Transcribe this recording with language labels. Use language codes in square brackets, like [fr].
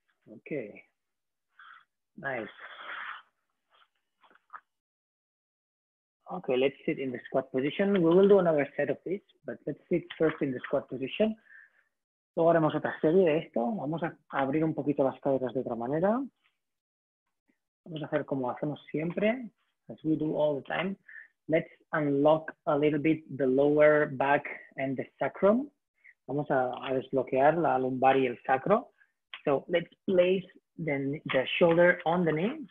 [en] Okay, nice. Okay, let's sit in the squat position. We will do another set of this, but let's sit first in the squat position. [es] Luego haremos otra serie de esto. Vamos a abrir un poquito las caderas de otra manera. Vamos a hacer como hacemos siempre, as we do all the time. [en] Let's unlock a little bit the lower back and the sacrum. [es] Vamos a desbloquear la lumbar y el sacro. So let's place the shoulder on the knee.